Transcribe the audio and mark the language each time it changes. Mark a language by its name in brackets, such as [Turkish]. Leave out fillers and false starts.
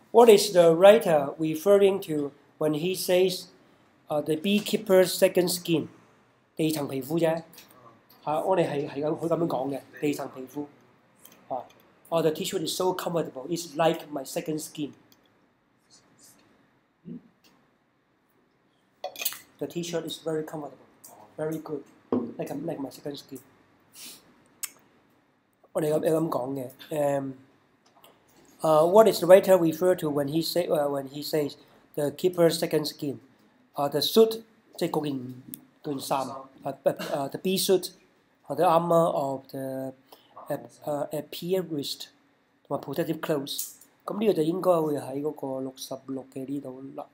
[English] What is the writer referring to when he says, the beekeeper's second skin? [Cantonese] 地層皮膚啫。我哋係咁佢咁樣講嘅，地層皮膚。 [English] Oh, the T-shirt is so comfortable. It's like my second skin. The T-shirt is very comfortable. Very good. Like my second skin. [Cantonese] 我哋咁講嘅。 [English] What is the writer refer to when he say, when he says the keeper's second skin? The suit, [Cantonese] 即係嗰件衫。 [English] The bee suit, the armor of the apiarist, and protective clothes. [Cantonese] 咁呢個就應該會喺嗰個六十六嘅呢度啦。